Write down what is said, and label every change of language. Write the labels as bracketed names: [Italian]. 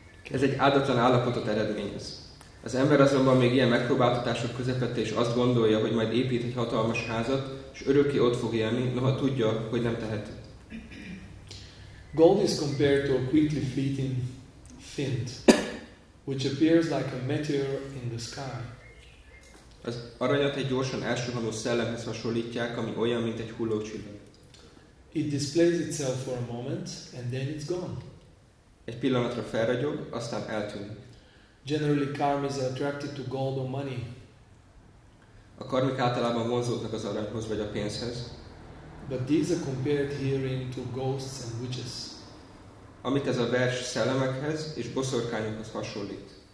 [Hungarian] Ez egy áldatlan állapotot eredményez. Az ember azonban még ilyen megpróbáltatások közepette is azt gondolja, hogy majd épít egy hatalmas házat, és örökké ott fog élni, noha tudja, hogy nem teheti. [English] Gold is compared to a quickly fleeting flint, which appears like a meteor in the sky. [Hungarian] Az aranyat egy gyorsan elsuhanó szellemhez hasonlítják, ami olyan, mint egy hullócsillag. [English] It displays itself for a moment, and then it's gone. [Hungarian] Egy pillanatra felragyog, aztán eltűnik. [English] Generally, karma is attracted to gold or money. [Hungarian] A karmik általában vonzódnak az aranyhoz vagy a pénzhez. [English] But these are compared herein to ghosts and witches. [Hungarian] Amit ez a vers szellemekhez és boszorkányokhoz hasonlít.